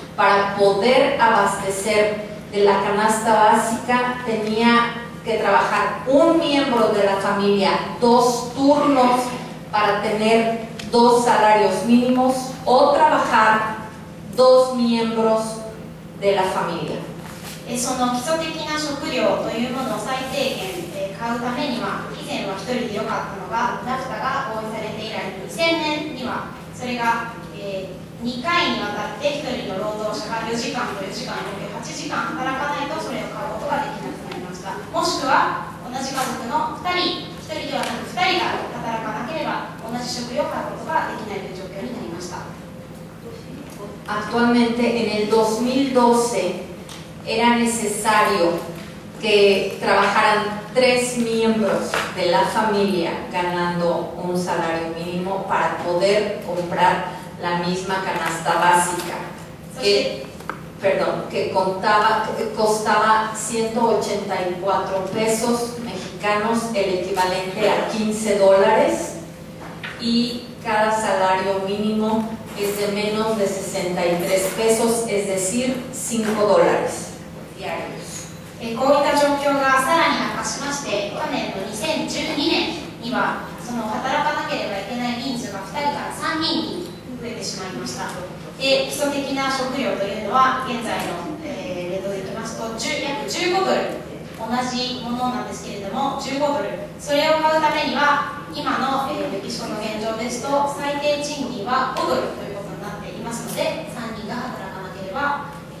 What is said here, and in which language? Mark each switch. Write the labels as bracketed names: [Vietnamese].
[Spanish] Para poder abastecer de la canasta básica tenía que trabajar un miembro de la familia dos turnos para tener dos salarios mínimos o trabajar dos miembros de la familia. [Japanese] その基礎的な食料というものを最低限買うためには、以前は1人でよかったのが、NAFTA が合意されて以来、2000年には、それが2回にわたって1人の労働者が4時間と4時間、約8時間働かないと、それを買うことができなくなりました。もしくは、同じ家族の2人、1人ではなく2人が働かなければ、同じ食料を買うことができないという状況になりました。 [Spanish] Actualmente, en el 2012,era necesario que trabajaran tres miembros de la familia ganando un salario mínimo para poder comprar la misma canasta básica que costaba 184 pesos mexicanos, el equivalente a 15 dólares, y cada salario mínimo es de menos de 63 pesos, es decir, 5 dólares. [Japanese] こういった状況がさらに悪化しまして、去年の2012年にはその働かなければいけない人数が2人から3人に増えてしまいました。で、基礎的な食料というのは現在のレートでいきますと約15ドル同じものなんですけれども、15ドル、それを買うためには今の、メキシコの現状ですと最低賃金は5ドルということになっていますので、3人が働かなければ